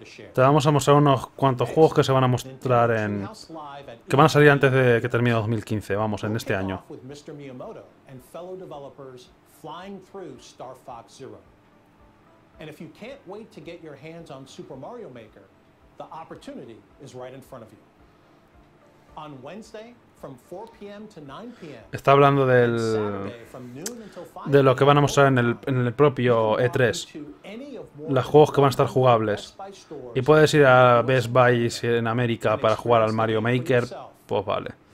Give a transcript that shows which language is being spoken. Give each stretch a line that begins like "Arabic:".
Spanish: Te vamos a mostrar unos cuantos juegos que se van a mostrar en... que van a salir antes de que termine 2015, vamos, en este año.
English: Mr. Miyamoto and fellow developers flying through Star Fox Zero. And if you can't wait to get your hands on Super Mario Maker, the opportunity is right in front of you. On Wednesday, from 4 p.m. to 9 p.m.
Spanish: Está hablando del de lo que van a mostrar en el propio E3. Los juegos que van a estar jugables. Y puedes ir a Best Buy en América para jugar al Mario Maker. Pues vale.